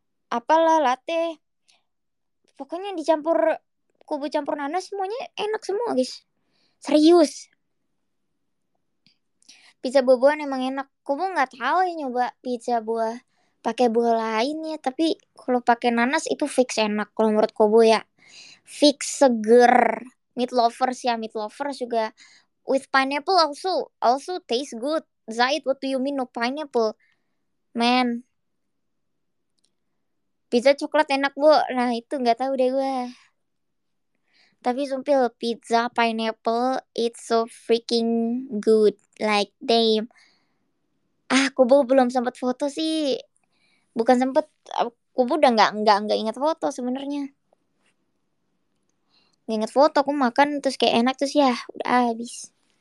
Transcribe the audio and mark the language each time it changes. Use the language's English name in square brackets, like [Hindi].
[Indonesian] Apalah latte. Pokoknya dicampur Kobo campur nanas semuanya enak semua guys. Serius. Pizza buah-buahan emang enak. Kobo gak tahu ya nyoba pizza buah pakai buah lainnya, tapi kalau pakai nanas itu fix enak kalau menurut Kobo ya. Fix seger. [English] Meat lovers ya, meat lovers juga with pineapple also also taste good. Zaid, what do you mean no pineapple? Man. [Indonesian] Pizza coklat enak, Bu. Nah, itu nggak tahu deh gue. Tapi sumpil, pizza pineapple, [English] it's so freaking good. Like, damn. [Indonesian] Ah, Kubu belum sempat foto sih. Bukan sempat, Kubu udah nggak ingat foto sebenarnya. Nggak ingat foto, aku makan terus kayak enak terus ya, udah habis.